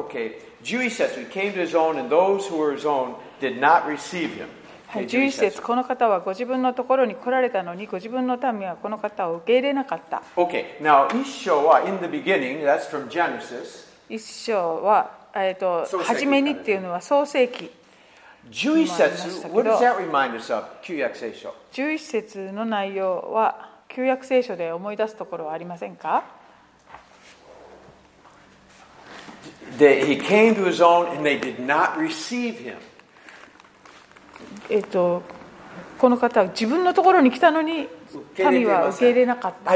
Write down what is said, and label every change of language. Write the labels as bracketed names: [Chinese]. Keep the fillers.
[English] Okay, 11説、He came to his own, and those who were his own did not receive him. [Japanese] はい、11節この方はご自分のところに来られたのに、ご自分の民はこの方を受け入れなかった。 [English] Okay, now, 一章は、in the beginning, that's from Genesis. [Japanese] 一章は、えーと、初めにっていうのは創世記。 [English] 11節 what does that remind us of? [Japanese] 旧約聖書。 11節の内容は、旧約聖書で思い出すところはありませんか [English] で、he came to his own and they did not receive him。 [Japanese] えっと、この方は自分のところに来たのに、神は受け入れなかった。